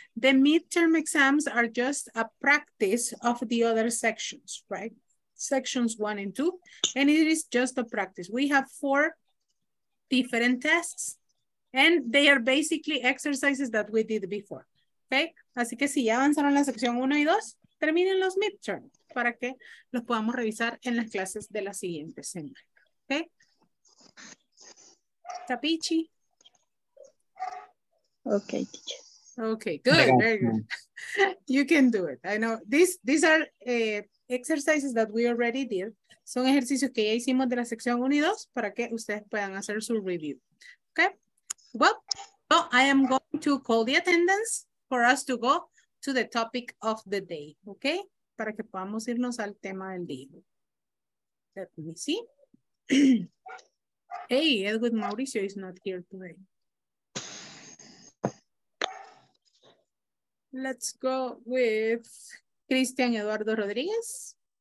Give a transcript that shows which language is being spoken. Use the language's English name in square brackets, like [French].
[English] The midterm exams are just a practice of the other sections, right? Sections one and two, and it is just a practice. We have four different tests, and they are basically exercises that we did before, okay? [Spanish] Así que si ya avanzaron la sección uno y dos, terminen los midterm para que los podamos revisar en las clases de la siguiente semana, okay? Capici? [English] Okay, teacher. Okay, good, very good. You can do it. I know these are exercises that we already did. [Spanish] Son ejercicios que ya hicimos de la sección 1 y 2 para que ustedes puedan hacer su review. [English] Okay? Well, so I am going to call the attendance for us to go to the topic of the day, okay? [Spanish] Para que podamos irnos al tema del día. [English] Let me see. Hey, Edwin Mauricio is not here today. Let's go with Cristian Eduardo Rodriguez.